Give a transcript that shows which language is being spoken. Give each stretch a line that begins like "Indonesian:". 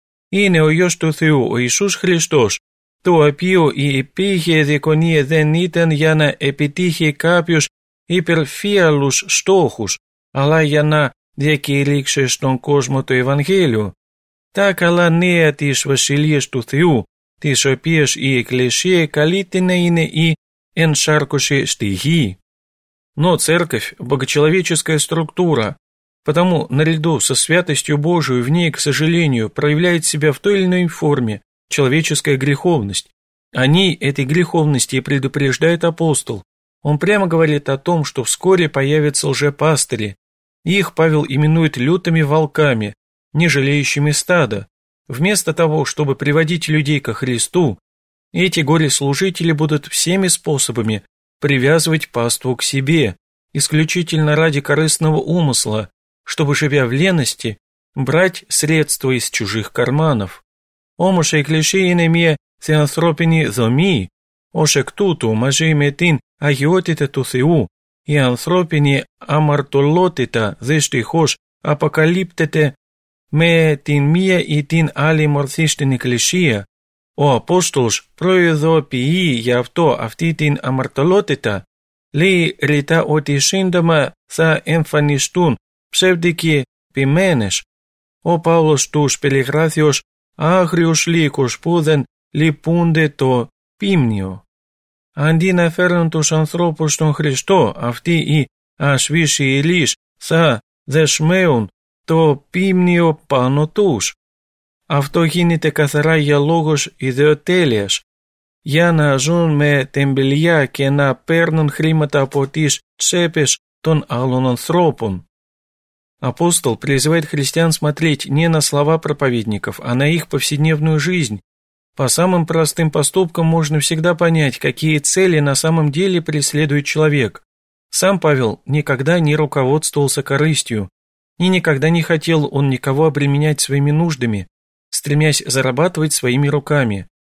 Greek: Είναι ο Υιός του Θεού, ο Ιησούς Χριστός, το οποίο η επίγεια διακονία δεν ήταν για να επιτύχει κάποιους υπερφύαλους στόχους, αλλά για να διακηρύξει στον κόσμο το Ευαγγέλιο. Τα καλά νέα της Βασιλείας του Θεού, της οποίας η Εκκλησία καλείται να είναι η ενσάρκωση στη γη.
Russian: Но церковь – богочеловеческая структура, потому наряду со святостью Божию в ней, к сожалению, проявляет себя в той или иной форме человеческая греховность. О ней, этой греховности, предупреждает апостол. Он прямо говорит о том, что вскоре появятся лжепастыри. Их Павел именует лютыми волками, не жалеющими стада. Вместо того, чтобы приводить людей ко Христу, эти горе-служители будут всеми способами привязывать паству к себе, исключительно ради корыстного умысла, чтобы, живя в лености, брать средства из чужих карманов.
Greek: «Омуш эклишиене ме теанθρώπινι δομή, ως εκ τούτου μαζί με την αγιότητα του Θεού, η ανθρώπινη αμαρτωλότητα δυστυχώς αποκαλύπτεται με την μία ή την άλλη μορφή στην Εκκλησία. Ο Απόστολος προειδοποιεί για αυτό αυτή την αμαρτωλότητα, λέει ρητά ότι σύντομα θα εμφανιστούν ψεύδικοι ποιμένες. Ο Παύλος τους περιγράφει ως άγριους λύκους που δεν λυπούνται το ποίμνιο. Αντί να φέρουν τους ανθρώπους στον Χριστό, αυτοί οι ασβήσιοι λύς θα δεσμέουν το ποίμνιο πάνω τους. Αυτό γίνεται καθαρά για λόγους ιδεοτέλειας, για να ζουν με τεμπελιά και να παίρνουν χρήματα από τις τσέπες των άλλων ανθρώπων.
Russian: Апостол призывает христиан смотреть не на слова проповедников, а на их повседневную жизнь. По самым простым поступкам можно всегда понять, какие цели на самом деле преследует человек. Сам Павел никогда не руководствовался корыстью. И никогда не хотел он никого обременять своими нуждами, стремясь зарабатывать своими руками.